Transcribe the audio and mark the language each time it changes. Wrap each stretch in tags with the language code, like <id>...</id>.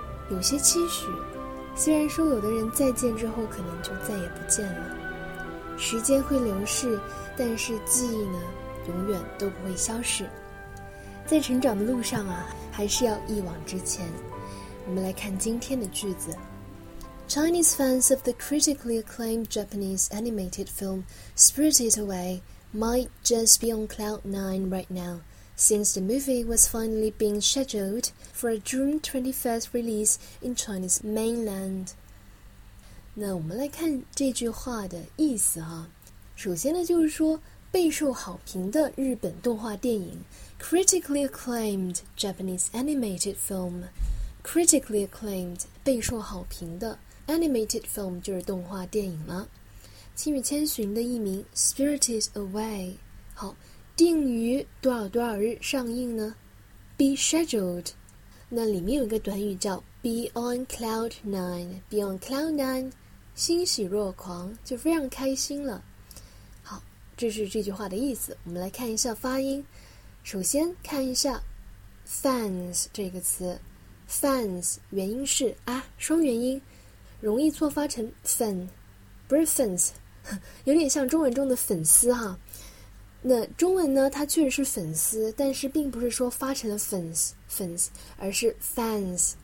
<zh>有些期许，虽然说有的人再见之后可能就再也不见了，时间会流逝，但是记忆呢，永远都不会消失。在成长的路上啊，还是要一往直前。我们来看今天的句子。</zh> <en>Chinese fans of the critically acclaimed Japanese animated film Spirited Away might just be on cloud nine right now, since the movie was finally being scheduled for a June 21st release in Chinese mainland.</en> <zh>那我们来看这句话的意思啊。首先呢，就是说备受好评的日本动画电影</zh> <en>Critically acclaimed Japanese animated film. Critically acclaimed</en> <zh>备受好评的</zh> <en>animated film</en> <zh>就是动画电影了。千与千寻的译名 Spirited Away 好定于多少多少日上映呢？</zh> <en>Be scheduled，</en> <zh>那里面有一个短语叫</zh> <en>be on cloud nine， be on cloud nine，</en> <zh>欣喜若狂，就非常开心了。好，这是这句话的意思。我们来看一下发音。首先看一下 fans 这个词， fans 元音是啊，双元音，容易错发成 fan， 不是 fans， 有点像中文中的粉丝哈。那中文呢，它确实是粉丝，但是并不是说发成了 fans， 而是 fans。</zh>